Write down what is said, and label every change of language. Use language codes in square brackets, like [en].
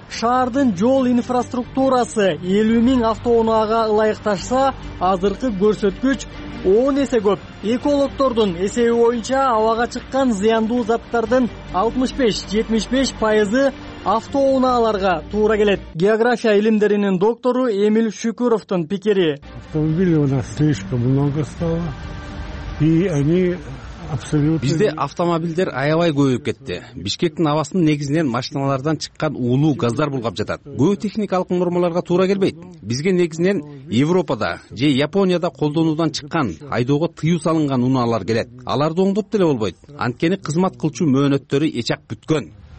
[ky] Шаардын жол инфраструктурасы 50 000 автоунаага ылайыкташса, азыркы көрсөткүч 10 эсе көп. Экологтордун эсеби боюнча абага чыккан зыяндуу заттардын 65-75% автоунааларга туура келет. География илимдеринин доктору Эмиль Шүкүровтун пикири: [ru] автомобиль у нас слишком много стало, и они абсолютно... [ky] Бизде автомобилдер аябай көбөйүп кетти. Бишкектин абасын негизинен машиналардан чыккан уулуу газдар булгап жатат. Көбү техникалык нормаларга туура келбейт. Бизге негизинен Европада же Японияда колдонуудан чыккан айдоого тыюу салынган унаалар келет. Аларды оңдоп деле болбойт, анткени кызмат кылчу мөөнөттөрү эчак бүткөн.